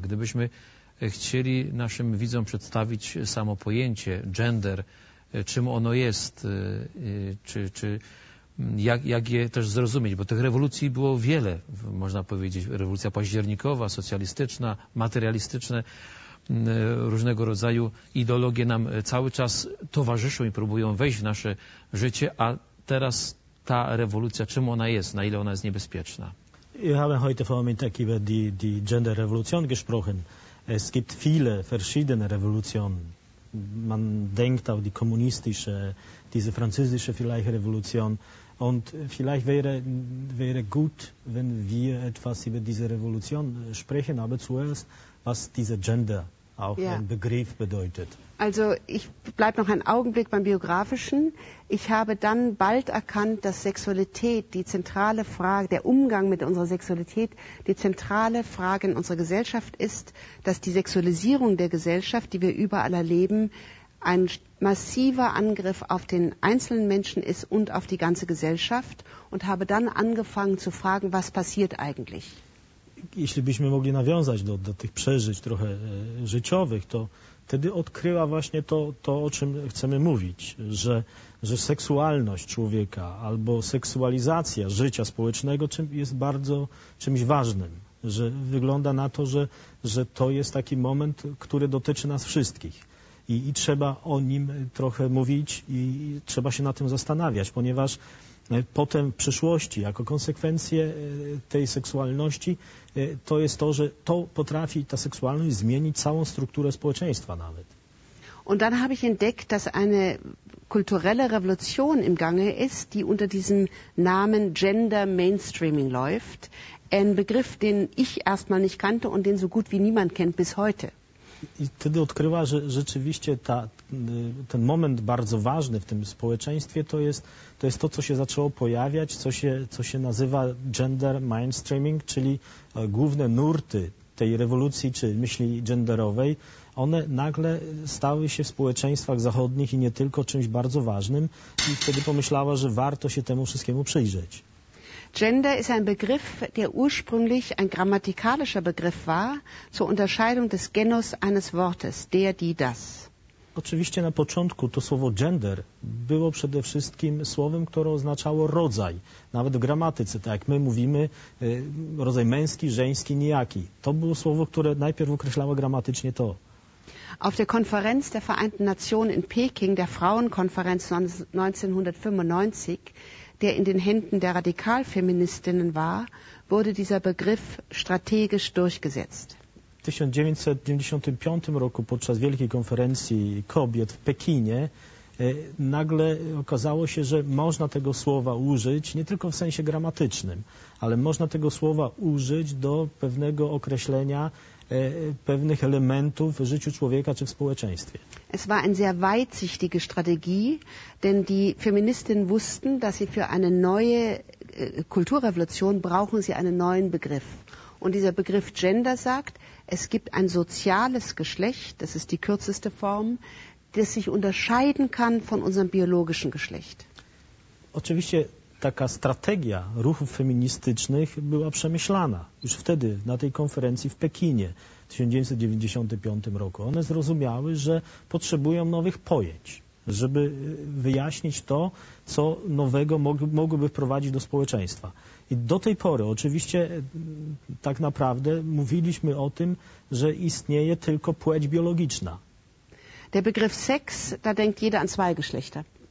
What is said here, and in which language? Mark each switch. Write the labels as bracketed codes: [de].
[pl] Gdybyśmy chcieli naszym widzom przedstawić samo pojęcie gender, czym ono jest, czy jak je też zrozumieć, bo tych rewolucji było wiele, można powiedzieć, rewolucja październikowa, socjalistyczna, materialistyczne, różnego rodzaju ideologie nam cały czas towarzyszą i próbują wejść w nasze życie, a teraz ta rewolucja, czym ona jest, na ile ona jest niebezpieczna? [de] Wir haben heute Vormittag über die Gender-Revolution gesprochen. Es gibt viele verschiedene Revolutionen. Man denkt auch die kommunistische, diese französische vielleicht Revolution. Und vielleicht wäre gut, wenn wir etwas über diese Revolution sprechen, aber zuerst, was diese Gender auch ja. Ein Begriff bedeutet. Also ich bleibe noch einen Augenblick beim Biografischen. Ich habe dann bald erkannt, dass Sexualität die zentrale Frage, der Umgang mit unserer Sexualität, die zentrale Frage in unserer Gesellschaft ist, dass die Sexualisierung der Gesellschaft, die wir überall erleben, ein massiver Angriff auf den einzelnen Menschen ist und auf die ganze Gesellschaft und habe dann angefangen zu fragen, was passiert eigentlich? [pl] Jeśli byśmy mogli nawiązać do tych przeżyć trochę życiowych, to wtedy odkryła właśnie to, o czym chcemy mówić, że seksualność człowieka albo seksualizacja życia społecznego jest bardzo czymś ważnym, że wygląda na to, że to jest taki moment, który dotyczy nas wszystkich i trzeba o nim trochę mówić i trzeba się na tym zastanawiać, ponieważ potem w przyszłości, jako konsekwencje tej seksualności, to jest to, że to potrafi ta seksualność zmienić całą strukturę społeczeństwa nawet. [de] Und dann habe ich entdeckt, dass eine kulturelle Revolution im Gange ist, die unter diesem Namen Gender Mainstreaming läuft. Ein Begriff, den ich erstmal nicht kannte und den so gut wie niemand kennt bis heute. [pl] I wtedy odkryła, że rzeczywiście ten moment bardzo ważny w tym społeczeństwie to jest to, co się zaczęło pojawiać, co się nazywa gender mainstreaming, czyli główne nurty tej rewolucji czy myśli genderowej, one nagle stały się w społeczeństwach zachodnich i nie tylko czymś bardzo ważnym i wtedy pomyślała, że warto się temu wszystkiemu przyjrzeć. [de] Gender ist ein Begriff, der ursprünglich ein grammatikalischer Begriff war, zur Unterscheidung des Genus eines Wortes, der, die, das. [pl] Oczywiście na początku to słowo gender było przede wszystkim słowem, które oznaczało rodzaj. Nawet w gramatyce, tak jak my mówimy, rodzaj męski, żeński, nijaki. To było słowo, które najpierw określało gramatycznie to. [de] Auf der Konferenz der Vereinten Nationen in Peking, der Frauenkonferenz 1995, der in den Händen der Radikalfeministinnen war, wurde dieser Begriff strategisch durchgesetzt. [pl] 1995 roku podczas wielkiej konferencji kobiet w Pekinie nagle okazało się, że można tego słowa użyć nie tylko w sensie gramatycznym, ale można tego słowa użyć do pewnego określenia pewnych elementów w życiu człowieka czy w społeczeństwie. [de] Es war eine sehr weitsichtige Strategie, denn die Feministinnen wussten, dass sie für eine neue Kulturrevolution brauchen sie einen neuen Begriff. Und dieser Begriff Gender sagt, es gibt ein soziales Geschlecht, das ist die kürzeste Form, das sich unterscheiden kann von unserem biologischen Geschlecht. [pl] Oczywiście taka strategia ruchów feministycznych była przemyślana już wtedy, na tej konferencji w Pekinie w 1995 roku. One zrozumiały, że potrzebują nowych pojęć, żeby wyjaśnić to, co nowego mogłyby wprowadzić do społeczeństwa. I do tej pory oczywiście tak naprawdę mówiliśmy o tym, że istnieje tylko płeć biologiczna. [de] Der Begriff Sex, da denkt jeder an zwei Geschlechter.